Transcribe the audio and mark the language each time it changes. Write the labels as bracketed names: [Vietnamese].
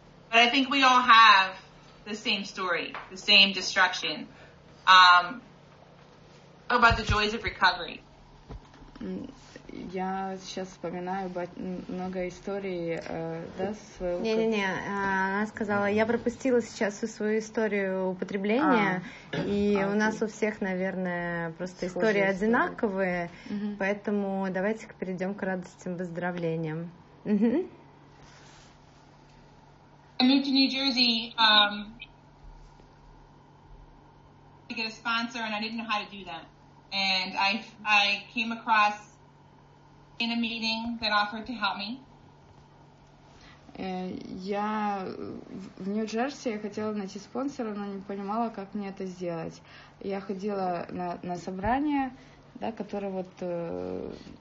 [English] But I think we all have the same story, the same destruction. About the joys of recovery. [Russian] Я сейчас вспоминаю много историй, да, своего. Не-не-не, она сказала, я пропустила сейчас всю свою историю употребления, у нас у всех, наверное, просто истории одинаковые, поэтому давайте перейдем к радостям выздоровлениям. [English] I moved to New Jersey to get a sponsor, and I didn't know how to do that. And I came across in a meeting that offered to help me. [Russian] Я в Нью-Джерси, я хотела найти спонсора, но не понимала, как мне это сделать. Я ходила на собрание, да, которое вот